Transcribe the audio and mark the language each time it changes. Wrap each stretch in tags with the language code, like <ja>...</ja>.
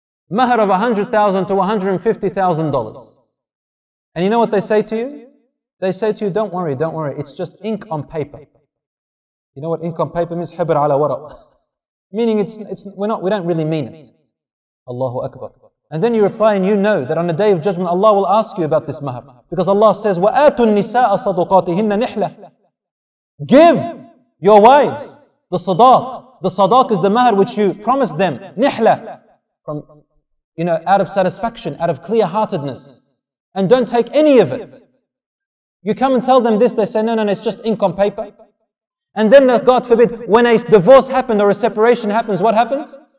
<en>Mahr of $100,000 to $150,000. And you know what they say to you? They say to you, don't worry, don't worry. It's just ink on paper. You know what ink on paper means?</en> <ar>Habr ala waraq.</ar> <en>Meaning we don't really mean it. Allahu Akbar. And then you reply and you know that on the day of judgment Allah will ask you about this mahr. Because Allah says,</en> <ar>وَآتُ النِّسَاءَ صَدُقَاتِهِنَّ نِحْلَةً.</ar> <en>Give your wives the sadaq. The sadaq is the mahr which you promised them. Nihla. From, you know, out of satisfaction, out of clear-heartedness. And don't take any of it. You come and tell them this, they say, no, it's just ink on paper. And then, God forbid, when a divorce happened or a separation happens, what happens?</en>